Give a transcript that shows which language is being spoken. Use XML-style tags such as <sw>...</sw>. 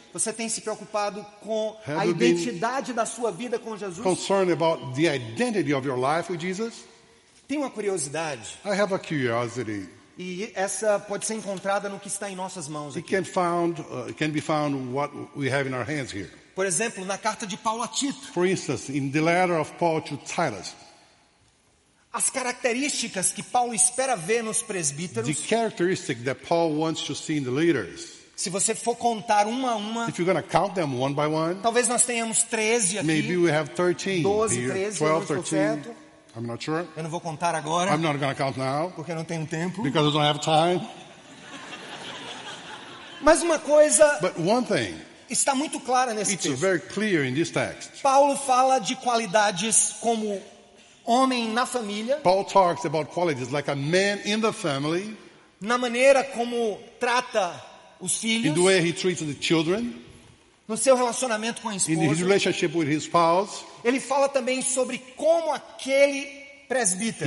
<pt>Você tem se preocupado com a identidade da sua vida com Jesus?</pt> <en>Concerned about the identity of your life with Jesus?</en> <pt>Tenho uma curiosidade.</pt> <en>I have a curiosity.</en> <pt>E essa pode ser encontrada no que está em nossas mãos aqui.</pt> <en>It can found, can be found what we have in our hands here.</en> <pt>Por exemplo, na carta de Paulo a Tito.</pt> <en>For instance, in the letter of Paul to Titus.</en> <pt>As características que Paulo espera ver nos presbíteros.</pt> <en>The characteristic that Paul wants to see in the leaders.</en> <pt>Se você for contar uma a uma.</pt> <en>If you're going to count them one by one.</en> <pt>Talvez nós tenhamos 13 aqui.</pt> <en>Maybe we have 13. 12, here, 13, 12, 13. I'm not sure.</en> <pt>Eu não vou contar agora.</pt> <en>I'm not going to count now.</en> <pt>Porque eu não tenho tempo.</pt> <en>Because I don't have time.</en> <pt>Mas uma coisa.</pt> <en>But one thing.</en> <pt>Está muito clara nesse texto.</pt> <en>It's very clear in this text.</en> <pt>Paulo fala de qualidades como homem na família.</pt> <en>Paul talks about qualities like a man in the family.</en> <pt>Na maneira como trata os filhos.</pt> <en>In the way he treats the children.</en> <pt>No seu relacionamento com a esposa.</pt> <en>In his relationship with his spouse.</en> <pt>Ele fala também sobre como aquele presbítero.</pt>